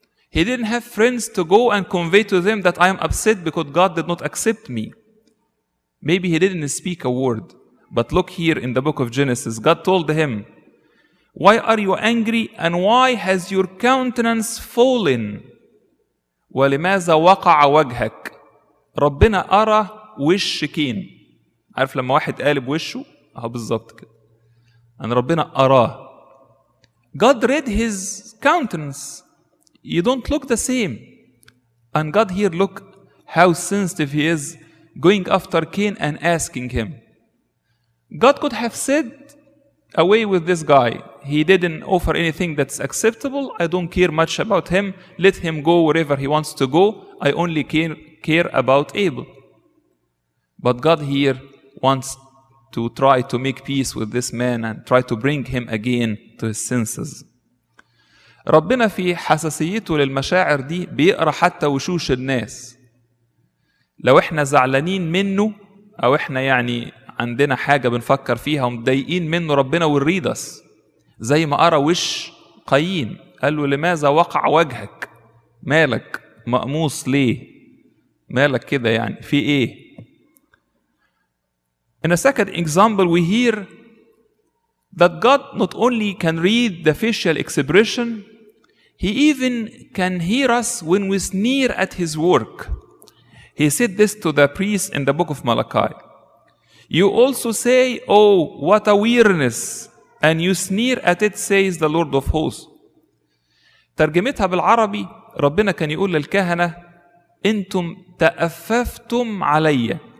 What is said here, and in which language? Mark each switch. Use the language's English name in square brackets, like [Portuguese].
[English] He didn't have friends to go and convey to them that I am upset because God did not accept me. Maybe he didn't speak a word. But look here in the book of Genesis. God told him, why are you angry and why has your countenance fallen? [Arabic] ولماذا وقع وجهك؟ ربنا أرى وش كين. عارف لما واحد قالب وشه؟ اهو بالظبط كده. and ربنا أراه. [English] God read his countenance. You don't look the same. And God here, look how sensitive he is, going after Cain and asking him. God could have said away with this guy. He didn't offer anything that's acceptable. I don't care much about him. Let him go wherever he wants to go. I only care about Abel. But God here wants to try to make peace with this man and try to bring him again to his senses. [Arabic] ربنا في حساسيته للمشاعر دي بيقرأ حتى وشوش الناس. لو احنا زعلانين منه او احنا يعني عندنا حاجة بنفكر فيها ومتضايقين منه, ربنا والريدس زي ما قرأ وش قايين, قال له لماذا وقع وجهك, مالك مقموص ليه, مالك كده يعني في ايه. [English] In a second example, we hear that God not only can read the facial expression, he even can hear us when we sneer at his work. He said this to the priest in the book of Malachi. You also say, oh, what a weirdness, and you sneer at it, says the Lord of hosts. [Arabic] ترجمتها بالعربي, ربنا كان يقول للكهنة, انتم تأففتم علي.